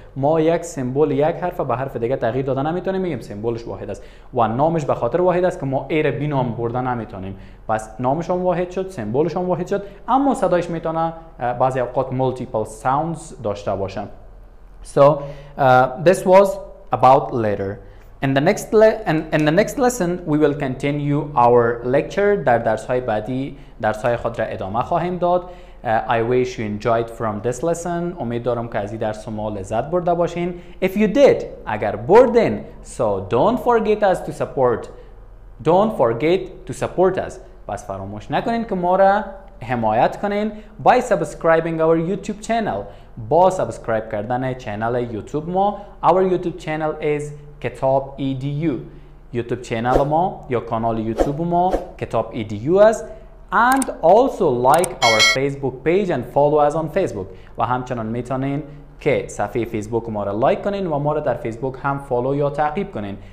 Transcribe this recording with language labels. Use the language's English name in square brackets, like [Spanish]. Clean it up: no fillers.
[Persian] ما یک سمبل یک حرف به حرف دیگه تغییر داده نمیتونیم، میگیم سمبلش واحد است و نامش به خاطر واحد است که ما ای را بی نام برده نمیتونیم. پس نامش هم واحد شد، سمبلش هم واحد شد، اما صدایش میتونه بعضی اوقات [English] multiple sounds [Persian] داشته باشه. [English] So this was about letter. In the next lesson, we will continue our lecture. [Persian] در درس‌های بعدی درس‌های خود را ادامه خواهیم داد. [English] I wish you enjoyed from this lesson. [Persian] امید دارم که از این درس شما لذت برده باشین. [English] If you did, [Persian] اگر بردین, [English] so don't forget to support us. [Persian] پس فراموش نکنین که ما را حمایت کنین [English] by subscribing our YouTube channel. [Persian] با سابسکرایب کردن چینل یوتیوب ما. [English] Our YouTube channel is کتاب EDU. [Persian] یوتیوب چینل ما یا کانال یوتیوب ما کتاب EDU است. [English] And also like our Facebook page and follow us on Facebook. [Persian] و همچنان میتونین که صفحه فیسبوک ما را لایک کنین و ما را در فیسبوک هم فالو یا تعقیب کنین.